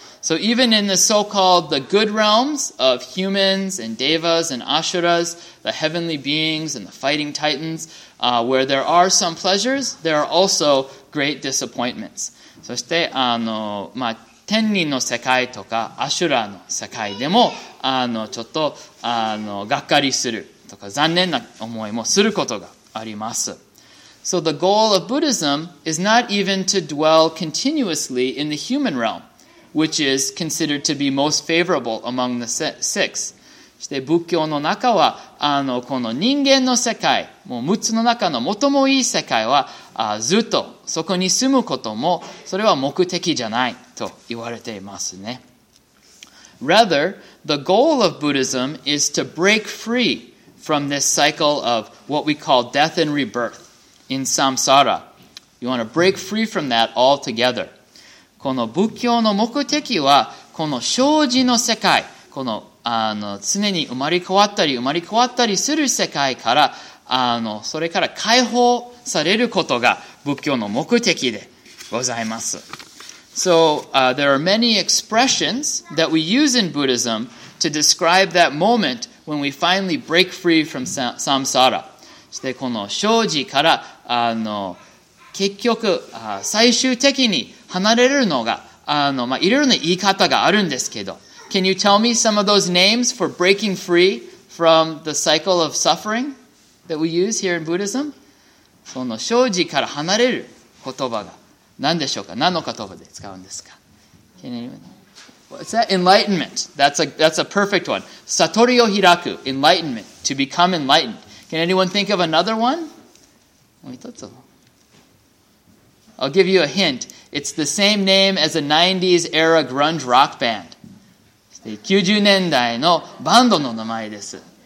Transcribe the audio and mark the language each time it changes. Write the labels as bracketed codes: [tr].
[en] So even in the so-called the good realms of humans and devas and asuras, the heavenly beings and the fighting titans, where there are some pleasures, there are also great disappointments. [ja] そして天人の世界とかアシュラの世界でもちょっとがっかりするとか残念な思いもすることがあります。 [en] So the goal of Buddhism is not even to dwell continuously in the human realm. Which is considered to be most favorable among the six. [ja] そして仏教の中はこの人間の世界、もう6つの中の最もいい世界はずっとそこに住むことも、それは目的じゃないと言われていますね。 [en] Rather, the goal of Buddhism is to break free from this cycle of what we call death and rebirth in samsara. You want to break free from that altogether. [ja] この仏教の目的は、この生死の世界、この、常に生まれ変わったり、生まれ変わったりする世界から、それから解放されることが仏教の目的でございます。 [en] So, there are many expressions that we use in Buddhism to describe that moment when we finally break free from samsara. [ja] そして、この生死から、結局、最終的に、離れるのが、まあ、いろいろな言い方があるんですけど。 [en] Can you tell me some of those names for breaking free from the cycle of suffering that we use here in Buddhism? [ja] その生死から離れる言葉が何でしょうか？何の言葉で使うんですか？ [en] Can anyone? What's that? Enlightenment. That's a perfect one. [ja] Satori o hiraku. [en] Enlightenment. To become enlightened. Can anyone think of another one? [ja] もう一つ。 [en] I'll give you a hint. It's the same name as a 90s era grunge rock band. [ja] 90年代のバンドの名前です。